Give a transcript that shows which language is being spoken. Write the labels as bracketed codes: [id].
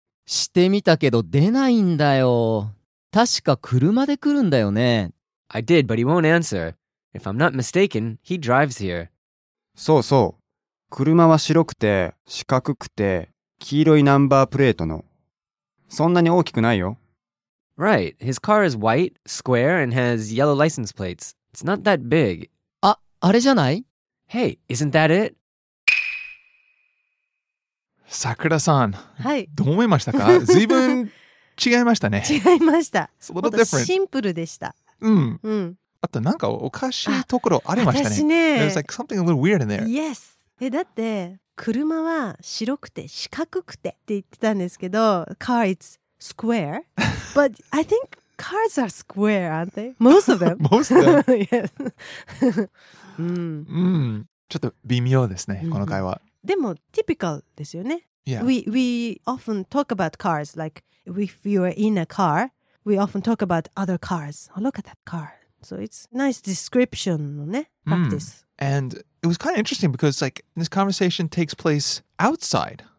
[ja] してみたけど出ないんだよ。確か車で来るんだよね。 [en] I did, but he won't answer. If I'm not mistaken, he drives here. [ja] そうそう。車は白くて、四角くて、黄色いナンバープレートの。そんなに大きくないよ。 [en] Right. His car is white, square, and has yellow license plates. It's not that big. [ja] あ、あれじゃない？ [en] Hey, isn't that it? [ja] さくらさん。はい。どう思いましたか？ずいぶん違いましたね。違いました。 [en] It's a little different. [ja] シンプルでした。うん。うん。あとなんかおかしいところありましたね。私ね。 [en] There's like something a little weird in there. Yes. [ja] え、だって車は白くて四角くてって言ってたんですけど、 [en] car is square but I think cars are square, aren't they? Most of them. Most of them. Yes. 、 [ja] うん、ちょっと微妙ですね、この会話。でも typical ですよね。 [en] Yeah. We often talk about cars, like if you're in a car, we often talk about other cars. Oh, look at that car. So it's nice description [ja] のね、 [en] practice. AndIt was kind of interesting because, like, this conversation takes place outside.